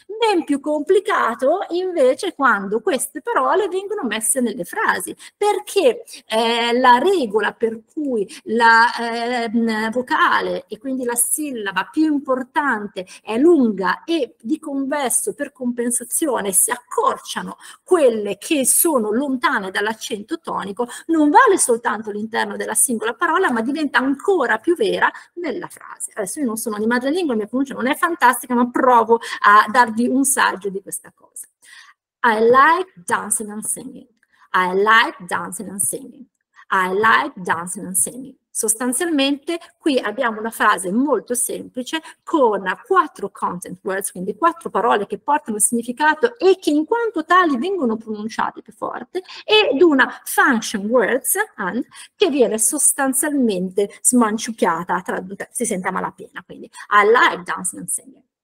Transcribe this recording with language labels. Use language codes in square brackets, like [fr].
[it] Ben più complicato invece quando queste parole vengono messe nelle frasi, perché la regola per cui la vocale e quindi la sillaba più importante è lunga e di converso per compensazione si accorciano quelle che sono lontane dall'accento tonico, non vale soltanto all'interno della singola parola, ma diventa ancora più vera nella frase. Adesso io non sono di madrelingua, la mia pronuncia non è fantastica, ma provo a darvi un saggio di questa cosa. [en] I like dancing and singing. I like dancing and singing. I like dancing and singing. [it] Sostanzialmente qui abbiamo una frase molto semplice con quattro content words, quindi quattro parole che portano significato e che in quanto tali vengono pronunciate più forte, ed una function words and, che viene sostanzialmente smanciucchiata, si sente a malapena, quindi [en] I like dancing and singing.